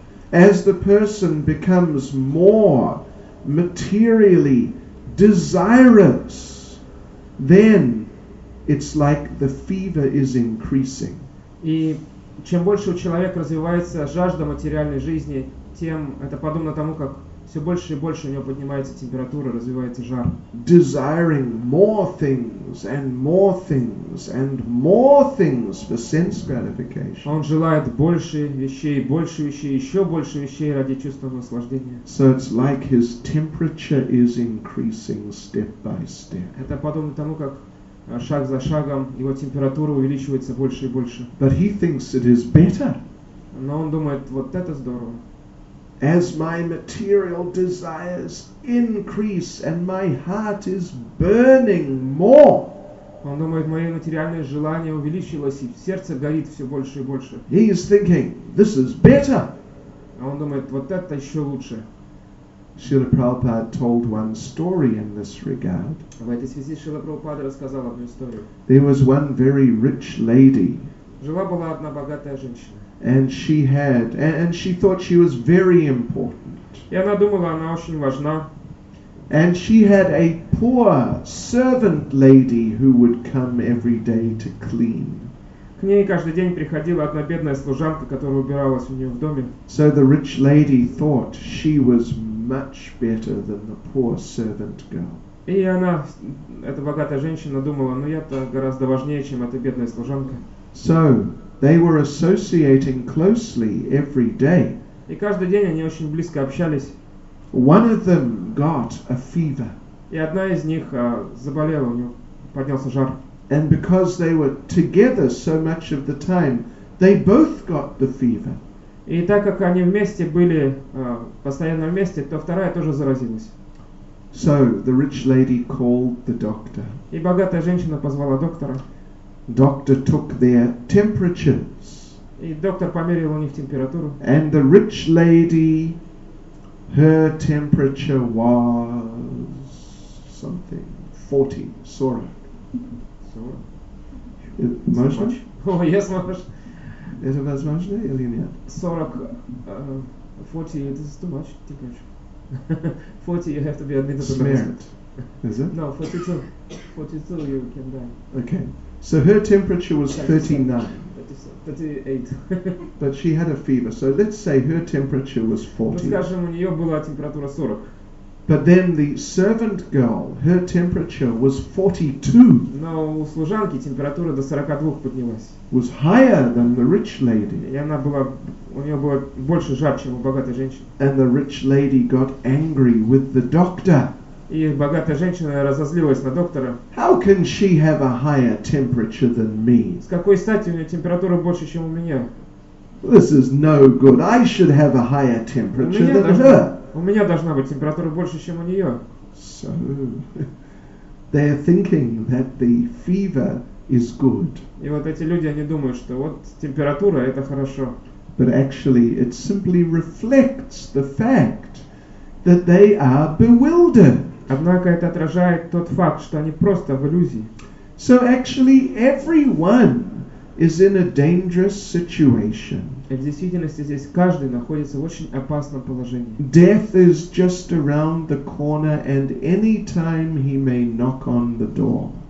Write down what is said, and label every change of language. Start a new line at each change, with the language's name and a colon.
English: As the person becomes more materially desirous, then it's like the fever is increasing.
Russian: И чем больше у человека развивается жажда материальной жизни, тем это подобно тому, как все больше и больше у него поднимается температура, развивается жар.
English: Desiring more things and more things and more things for sense gratification.
Russian: Он желает больше вещей, больше вещей, еще больше вещей ради чувства наслаждения.
English: So it's like his temperature is increasing step by step.
Russian: Это подобно тому, как шаг за шагом его температура увеличивается больше и больше.
English: But he thinks it is better.
Russian: Но он думает, вот это здорово.
English: As my material desires increase and my heart is burning more.
Russian: Он думает, мое материальное желание увеличилось, и сердце горит все больше и больше.
English: He is thinking, this is better.
Russian: Он думает, вот это еще лучше.
English: Srila Prabhupada told one story in this regard.
Russian: В этой связи Шрила Прабхупада рассказал одну историю.
English: There was one very rich lady.
Russian: Жила была одна богатая женщина.
English: And she had, and she thought she was very important.
Russian: И она думала, она очень важна.
English: And she had a poor servant lady who would come every day to clean.
Russian: К ней каждый день приходила одна бедная служанка, которая убиралась у нее в доме.
English: So the rich lady thought she was much better than the poor servant girl.
Russian: И она, эта богатая женщина, думала, ну я-то гораздо важнее, чем эта бедная служанка.
English: So they were associating closely every day.
Russian: И каждый день они очень близко общались.
English: One of them got a fever.
Russian: И одна из них заболела, у нее поднялся жар.
English: And because they were together so much of the time, they both got the fever.
Russian: И так как они вместе были, постоянно вместе, то вторая тоже заразилась.
English: So the rich lady called the doctor.
Russian: И богатая женщина позвала доктора.
English: Doctor took their temperatures.
Russian: И доктор померил у них температуру.
English: And the rich lady, her temperature was something 40. Sorry. Sorry. Is it too much? Oh yes, much. Is it too much?
Russian: Или нет?
English: 40. 40. This is too much. Too much. 40. You have to be admitted to the hospital. Is it? No, 42. 42. You can die. Okay. So her temperature was 39. 38. But she had a fever. So let's say her temperature was 40.
Russian: Ну, скажем, у неё была температура 40.
English: But then the servant girl, her temperature was 42.
Russian: Но у служанки температура до 42 поднялась.
English: Was higher than the rich lady.
Russian: И она была, у неё было больше жар, чем у богатой женщины.
English: And the rich lady got angry with the doctor.
Russian: И богатая женщина разозлилась на доктора.
English: How can she have a higher temperature than me?
Russian: С какой стати у нее температура больше, чем у меня?
English: This is no good. I should have a higher temperature than her.
Russian: У меня должна быть температура больше, чем у нее.
English: So, they're thinking that the fever is good.
Russian: И вот эти люди, они думают, что вот температура это хорошо.
English: But actually, it simply reflects the fact that they are bewildered.
Russian: Однако это отражает тот факт, что они просто в иллюзии.
English: So actually everyone is in a dangerous situation.
Russian: И в действительности здесь каждый находится в очень опасном положении.
English: Death is just around the corner and any time he may knock on the door.